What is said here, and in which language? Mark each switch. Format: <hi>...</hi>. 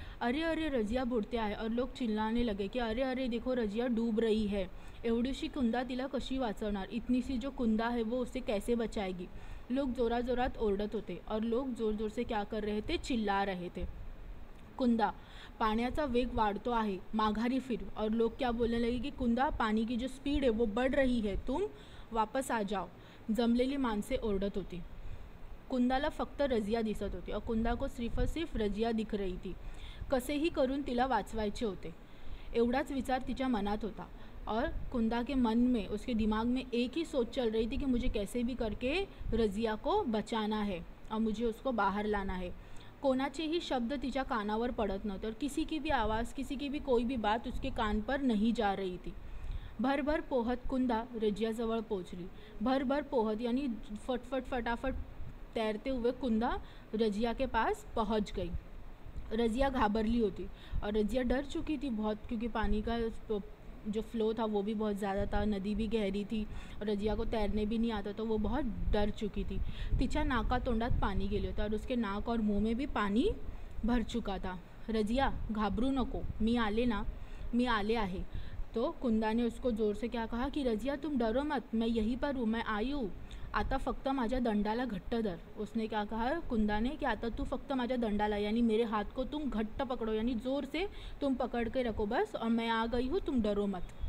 <mr>अरे अरे रजिया बुड़ते आए</mr> <hi>और लोग चिल्लाने लगे कि अरे अरे देखो रजिया डूब रही है,</hi> <mr>एवडीसी कुंदा तिला कशी वाचवणार,</mr> <hi>इतनी सी जो कुंदा है वो उसे कैसे बचाएगी।</hi> <mr>लोग जोरा जोरात ओरडत होते</mr> <hi>और लोग जोर जोर से क्या कर रहे थे,</hi> <mr>चिल्ला रहे थे, कुंदा पाण्याचा वेग वाढतो आहे माघारी फिर।</mr> <hi>और लोग क्या बोलने लगे कि कुंदा पानी की जो स्पीड है वो बढ़ रही है, तुम वापस आ जाओ।</hi> <mr>जमलेली माणसे ओरडत होती, कुंदाला फक्त रजिया दिसत होती</mr> <hi>और कुंदा को सिर्फ सिर्फ रजिया दिख रही थी,</hi> <mr>कसे ही करून तिला वाचवायचे होते एवढाच विचार तिच्या मनात होता।</mr> <hi>और कुंदा के मन में उसके दिमाग में एक ही सोच चल रही थी कि मुझे कैसे भी करके रजिया को बचाना है और मुझे उसको बाहर लाना है।</hi> <mr>कोनाचे ही शब्द तिच्या कानावर पड़त नव्हते</mr> <hi>और किसी की भी आवाज़ किसी की भी कोई भी बात उसके कान पर नहीं जा रही थी।</hi> <mr>भर भर पोहत कुंदा रजिया जवळ पोहोचली,</mr> <hi>भर भर पोहत यानी फटफट फटाफट तैरते हुए कुंदा रजिया के पास पहुंच गई।</hi> <mr>रजिया घाबरली होती</mr> <hi>और रजिया डर चुकी थी बहुत, क्योंकि पानी का जो फ्लो था वो भी बहुत ज़्यादा था, नदी भी गहरी थी और रजिया को तैरने भी नहीं आता तो वो बहुत डर चुकी थी।</hi> <mr>तिचा नाका तोंडात पानी गेले होता</mr> <hi>और उसके नाक और मुंह में भी पानी भर चुका था।</hi> <mr>रजिया घाबरू नको, मी आले ना, मी आले आहे।</mr> <hi>तो कुंदा ने उसको जोर से क्या कहा कि रजिया तुम डरो मत, मैं यहीं पर हूँ, मैं आई हूँ,</hi> <mr>आता फक्त माझ्या दंडाला घट्ट धर।</mr> <hi>उसने क्या कहा कुंदा ने कि</hi> <mr>आता तू फक्त माझ्या दंडाला</mr> <hi>यानी मेरे हाथ को तुम घट्ट पकड़ो यानी जोर से तुम पकड़ के रखो बस, और मैं आ गई हूँ, तुम डरो मत।</hi>